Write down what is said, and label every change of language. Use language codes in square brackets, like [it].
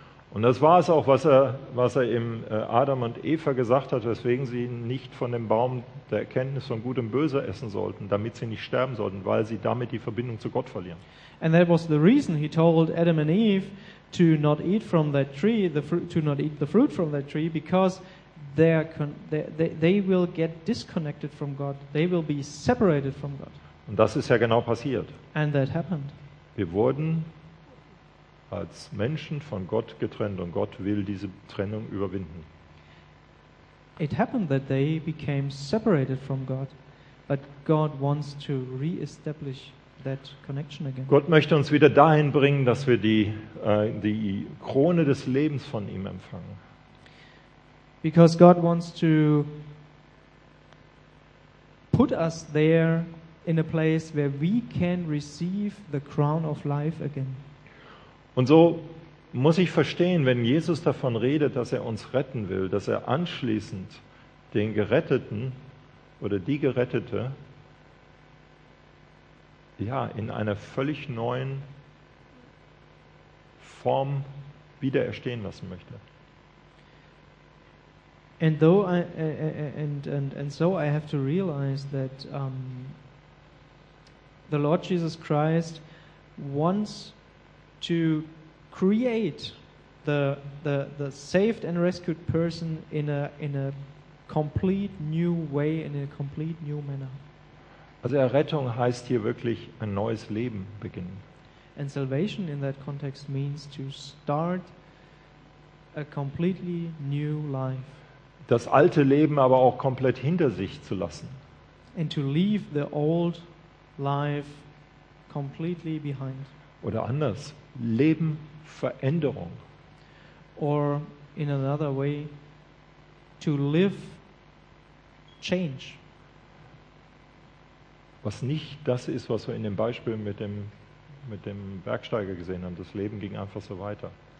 [de] Und das war es auch, was er im Adam und Eva gesagt hat, weswegen sie nicht von dem Baum der Erkenntnis von Gut und Böse essen sollten, damit sie nicht sterben sollten, weil sie damit die Verbindung zu Gott verlieren. [en] And that was the reason he told Adam and Eve to not eat from that tree, to not eat the fruit from that tree, because they will get disconnected from God. They will be separated from God. [de] Und das ist ja genau passiert. [en] And that happened. [de] Wir wurden als Menschen von Gott getrennt und Gott will diese Trennung überwinden. [en] It happened that they became separated from God, but God wants to re-establish that connection again. [de] Gott möchte uns wieder dahin bringen, dass wir die Krone des Lebens von ihm empfangen. [en] Because God wants to put us there in a place where we can receive the crown of life again. [de] Und so muss ich verstehen, wenn Jesus davon redet, dass er uns retten will, dass er anschließend den Geretteten oder die Gerettete ja in einer völlig neuen Form wiedererstehen lassen möchte. [en] And so I have to realize that the Lord Jesus Christ wants to create the saved and rescued person in a complete new way, in a complete new manner. [de] Also Errettung heißt hier wirklich ein neues Leben beginnen. [en] And salvation in that context means to start a completely new life. [de] Das alte Leben aber auch komplett hinter sich zu lassen. [en] And to leave the old life completely behind. [de] Oder anders, Leben Veränderung. [en] Or in another way, to live change. [de] Was nicht das ist, was wir in dem Beispiel mit dem Bergsteiger gesehen haben. Das Leben ging einfach so weiter.